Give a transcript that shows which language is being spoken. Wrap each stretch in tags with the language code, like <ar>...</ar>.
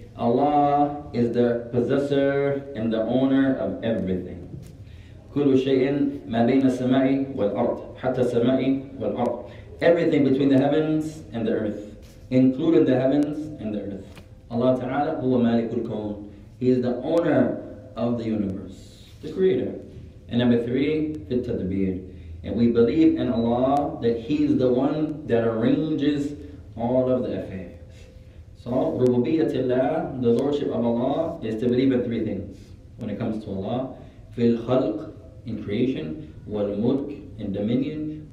<en>Allah is the possessor and the owner of everything.</en> <ar>كل شيء ما بين السماء والأرض حتى السماء والأرض.</ar> <en>Everything between the heavens and the earth, including the heavens and the earth.</en> <ar>Allah Ta'ala هو مالك الكون.</ar> <en>He is the owner of the universe, the creator. And number three,</en> <ar>في التدبير.</ar> <en>And we believe in Allah that He is the one that arranges all of the affairs. So, rububiyyatillah, the Lordship of Allah, is to believe in three things when it comes to Allah. Fil khalq, in creation. Wal mulk, in dominion.</en>